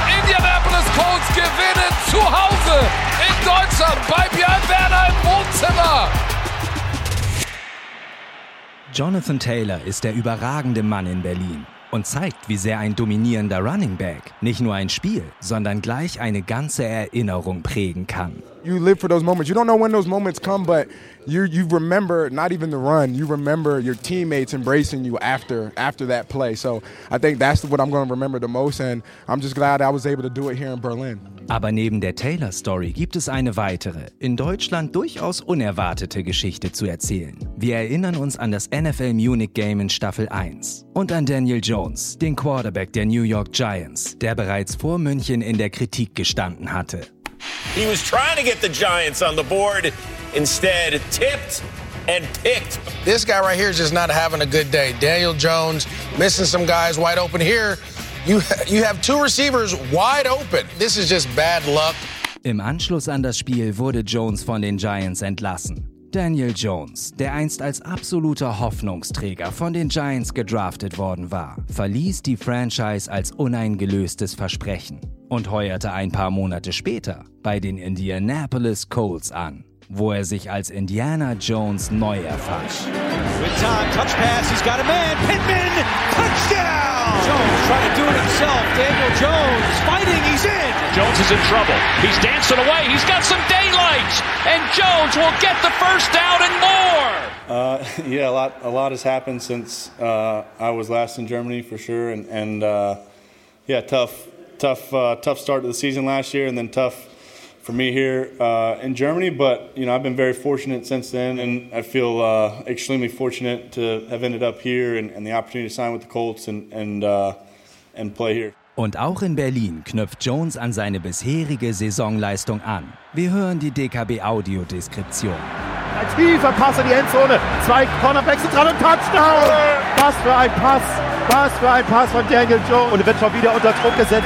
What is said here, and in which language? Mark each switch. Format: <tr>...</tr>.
<de>Indianapolis Colts gewinnen zu Hause in Deutschland bei Björn Werner im Wohnzimmer. Jonathan Taylor ist der überragende Mann in Berlin und zeigt, wie sehr ein dominierender Running Back nicht nur ein Spiel, sondern gleich eine ganze Erinnerung prägen kann.</de> <en>You live for those moments. You don't know when those moments come, but you remember not even the run. You remember your teammates embracing you after that play. So I think that's what I'm going to remember the most, and I'm just glad I was able to do it here in Berlin.</en> <de>Aber neben der Taylor-Story gibt es eine weitere, in Deutschland durchaus unerwartete Geschichte zu erzählen. Wir erinnern uns an das NFL Munich Game in Staffel 1 und an Daniel Jones, den Quarterback der New York Giants, der bereits vor München in der Kritik gestanden hatte.</de> <en>He was trying to get the Giants on the board, instead tipped and picked. This guy right here is just not having a good day. Daniel Jones missing some guys wide open here. You have two receivers wide open. This is just bad luck.</en> <de>Im Anschluss an das Spiel wurde Jones von den Giants entlassen. Daniel Jones, der einst als absoluter Hoffnungsträger von den Giants gedraftet worden war, verließ die Franchise als uneingelöstes Versprechen und heuerte ein paar Monate später bei den Indianapolis Colts an, wo er sich als Indiana Jones neu erfand.</de> <en>With time, touch pass, he's got a man, Pittman, touchdown! Jones trying to do it himself, Daniel Jones fighting, he's in! Jones is in trouble, he's dancing away, he's got some daylight, and Jones will get the first down and more! A lot has happened since I was last in Germany, for sure, and tough. Tough start to the season last year, and then tough for me here in Germany. But you know, I've been very fortunate since then, and I feel extremely fortunate to have ended up here and the opportunity to sign with the Colts and play here.</en> <de>Und auch in Berlin knüpft Jones an seine bisherige Saisonleistung an. Wir hören die DKB Audio Deskription. Ein tiefer Pass in die Endzone, zwei Cornerbacks sind dran und Touchdown. Was für ein Pass! Was für ein Pass von Daniel Jones. Und wird schon wieder unter Druck gesetzt.</de>